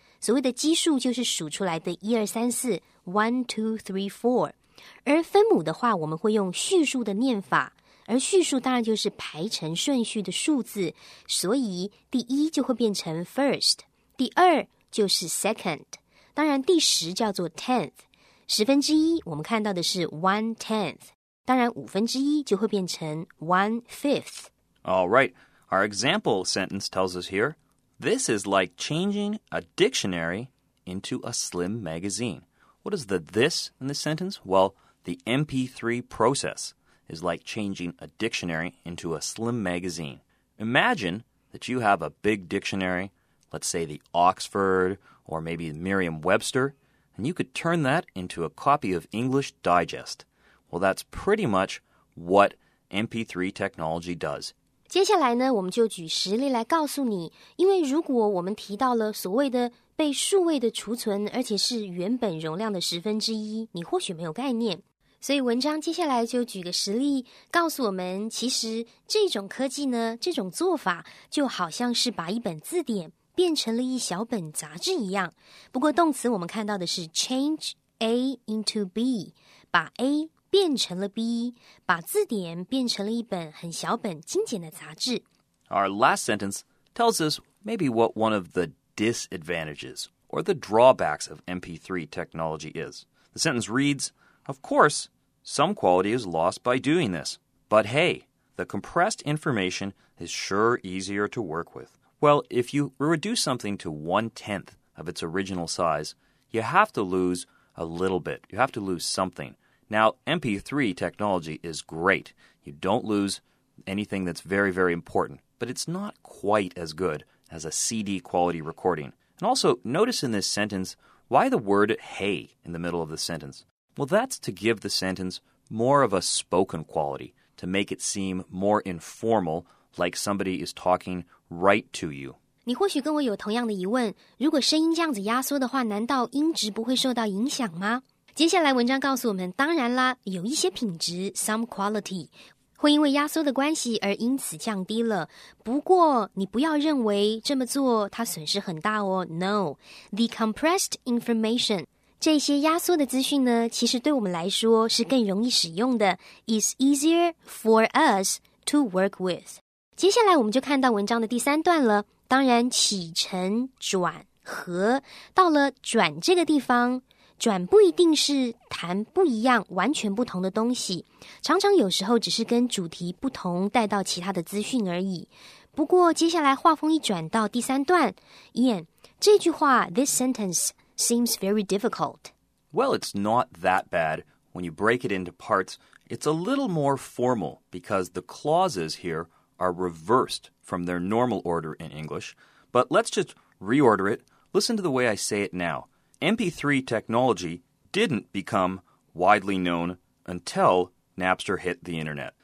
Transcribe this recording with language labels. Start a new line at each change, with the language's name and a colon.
Chinese: 所谓的奇数就是数出来的1234 1234， 而分母的话我们会用序数的念法，而序数当然就是排成顺序的数字，所以第一就会变成 first， 第二就是 second， 当然第十叫做 tenth， 十分之一我们看到的是 1/10， 当然五分之一就会变成 1/5。
English: All right, our example sentence tells us here, this is like changing a dictionary into a slim magazine. What is the this in this sentence? Well, the MP3 process. Is like changing a dictionary into a slim magazine. Imagine that you have a big dictionary, let's say the Oxford or maybe Merriam-Webster, and you could turn that into a copy of English Digest. Well, that's pretty much what MP3 technology does.
Chinese: 接下来呢，我们就举实例来告诉你，因为如果我们提到了所谓的被数位的储存，而且是原本容量的十分之一，你或许没有概念。所以文章接下来就举个实例告诉我们，其实这种科技呢，这种做法就好像是把一本字典变成了一小本杂志一样。不过动词我们看到的是
English: change A into B，
Chinese: 把 A 变成了 B， 把字典变成了一本很小本精简的杂志。
English: Our last sentence tells us maybe what one of the disadvantages or the drawbacks of MP3 technology is. The sentence readsOf course, some quality is lost by doing this. But hey, the compressed information is sure easier to work with. Well, if you reduce something to 1/10 of its original size, you have to lose a little bit. You have to lose something. Now, MP3 technology is great. You don't lose anything that's very, very important. But it's not quite as good as a CD quality recording. And also, notice in this sentence, why the word hey in the middle of the sentence? Well, that's to give the sentence more of a spoken quality, to make it seem more informal, like somebody is talking right to you.
Chinese: 你或许跟我有同样的疑问，如果声音这样子压缩的话，难道音质不会受到影响吗？接下来文章告诉我们，当然啦，有一些品质
English: some quality
Chinese: 会因为压缩的关系而因此降低了。不过你不要认为这么做它损失很大哦。
English: No, the compressed information.
Chinese: 这些压缩的资讯呢，其实对我们来说是更容易使用的
English: is easier for us to work with.
Chinese: 接下来我们就看到文章的第三段了，当然起承转合，到了转这个地方，转不一定是谈不一样完全不同的东西，常常有时候只是跟主题不同带到其他的资讯而已。不过接下来话锋一转到第三段， Ian， 这句话
English: this sentenceseems very difficult. Well, it's not that bad. When you break it into parts, it's a little more formal because the clauses here are reversed from their normal order in English. But let's just reorder it Listen to the way I say it now. MP3 technology didn't become widely known until Napster hit the internet.